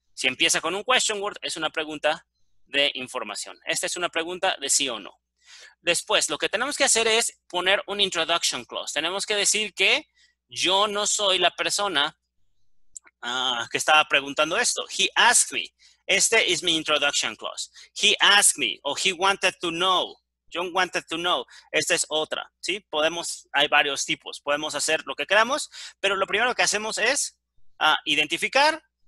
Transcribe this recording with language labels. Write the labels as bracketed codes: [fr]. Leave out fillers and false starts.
[es] Si empieza con un question word, es una pregunta de información. Esta es una pregunta de sí o no. Después, lo que tenemos que hacer es poner un introduction clause. Tenemos que decir que yo no soy la persona que estaba preguntando esto. [en] He asked me. [es] Este es mi [en] introduction clause. He asked me o he wanted to know. John wanted to know. [es] Esta es otra. ¿Sí? Podemos, hay varios tipos. Podemos hacer lo que queramos, pero lo primero que hacemos es identificar.